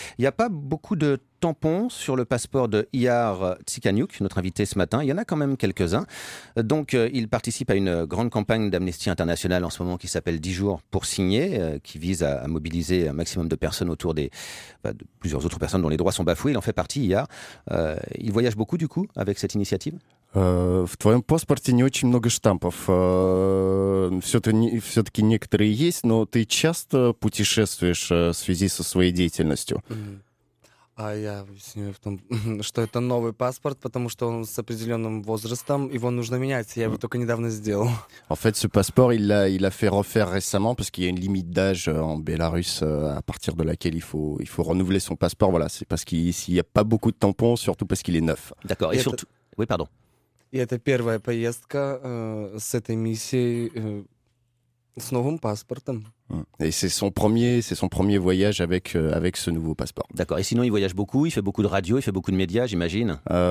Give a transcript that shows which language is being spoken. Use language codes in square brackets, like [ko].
[fr] Il n'y a pas beaucoup de tampons sur le passeport de Iyar Tsikhanouk, notre invité ce matin. Il y en a quand même quelques-uns. Donc, il participe à une grande campagne d'Amnesty International en ce moment qui s'appelle 10 jours pour signer, qui vise à mobiliser un maximum de personnes autour des... Bah, de plusieurs autres personnes dont les droits sont bafoués. Il en fait partie, Iyar. Il voyage beaucoup, du coup, avec cette initiative ? [ru] В твоем паспорте не очень много штампов. Все-таки некоторые есть, но ты часто путешествуешь в связи со своей деятельностью. А я объясню в том, что это новый паспорт, потому что он с определенным возрастом, его нужно менять. Я его только недавно сделал. [fr] En fait, ce passeport, il a fait refaire récemment, parce qu'il y a une limite d'âge en Bélarus à partir de laquelle il faut renouveler son passeport. Voilà, c'est parce qu'il n'y a pas beaucoup de tampons, surtout parce qu'il est neuf. D'accord, et surtout... Oui, pardon. [ru] И это первая поездка с этой миссией, с новым паспортом. [fr] Et c'est son premier voyage avec ce nouveau passeport. D'accord. Et sinon, il voyage beaucoup, il fait beaucoup de radio, il fait beaucoup de médias, j'imagine.